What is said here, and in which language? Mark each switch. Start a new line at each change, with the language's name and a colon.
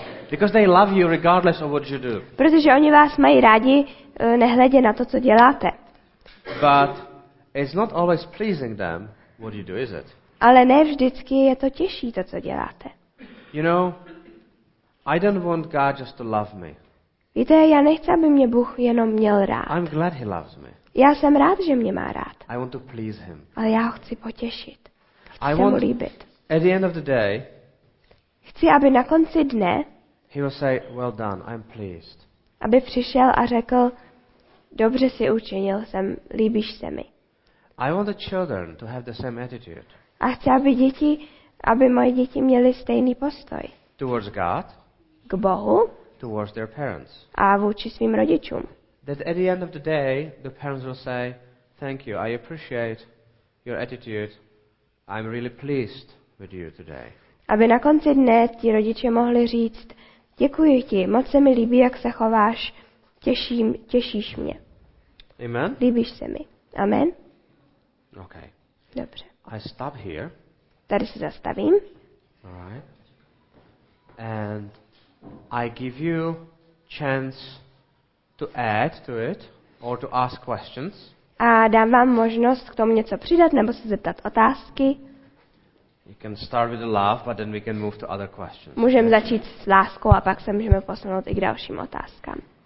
English: Because they love you regardless of what you do.
Czech: Protože oni vás mají rádi nehledě na to, co děláte.
English: But it's not always pleasing them what you do, is it?
Czech: Ale ne vždycky je to těžší to, co děláte.
English: You know, I don't want God just to love me.
Czech: Víte, já nechci, aby mě Bůh jenom měl rád.
English: I'm glad he loves me.
Czech: Já jsem rád, že mě má rád.
English: I want to please him.
Czech: Ale já ho chci potěšit. Chci se mu líbit.
English: At the end of the day.
Czech: Chci, aby na konci dne.
English: He will say, well done, I'm pleased.
Czech: Aby přišel a řekl, dobře si učinil, jsem líbíš se mi.
English: I want the children to have the same attitude.
Czech: A chci, aby moje děti měly stejný postoj.
English: Towards God.
Czech: K Bohu.
English: Towards their parents.
Czech: A vůči svým rodičům.
English: That at the end of the day, the parents will say, thank you, I appreciate your attitude. I'm really pleased with you today.
Czech: Aby na konci dne ti rodiče mohli říct, děkuji ti, moc se mi líbí, jak se chováš, těšíš mě.
English: Amen.
Czech: Líbíš se mi. Amen.
English: Okay.
Czech: Dobře.
English: I stop here.
Czech: Tady se zastavím.
English: All right. And I give you chance to add to it or to ask questions.
Czech: A dám vám možnost k tomu něco přidat nebo se zeptat otázky.
English: You can start with the love, but then we can move to other questions.
Czech: Můžeme začít s láskou a pak se můžeme posunout i k dalším otázkám.